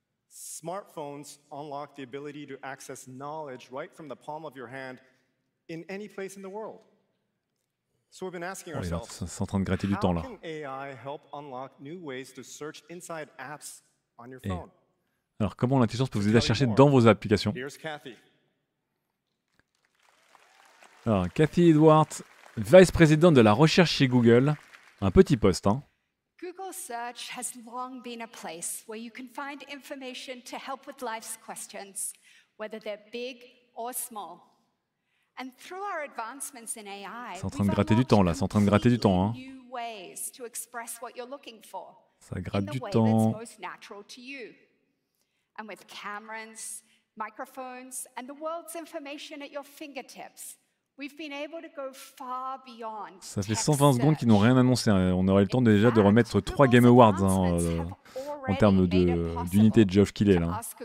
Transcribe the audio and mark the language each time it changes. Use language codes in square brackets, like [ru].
[en] Smartphones unlock the ability to access knowledge right from the palm of your hand in any place in the world. So we've been asking ourselves, how can AI help unlock new ways to search inside apps on your phone? [fr] Alors, comment l'intelligence peut vous aider à chercher dans vos applications? [en] Here's Cathy. [fr] Alors, Cathy Edwards, vice-présidente de la recherche chez Google. Un petit poste, hein. [en] Google Search has long been a place where you can find information to help with life's questions, whether they're big or small. And through our advancements in AI, [fr] c'est en train de gratter du temps là, c'est en train de gratter du temps, hein. [en] New ways to express what you're looking for. [fr] Ça gratte du temps. [en] In the way that's most natural to you. And with cameras, microphones, and the world's information at your fingertips, we've been able to go far beyond. [fr] Ça fait 120 secondes qu'ils n'ont rien annoncé. On aurait le temps déjà de remettre 3 Game Awards, hein, en termes de d'unité de Geoff Keighley là.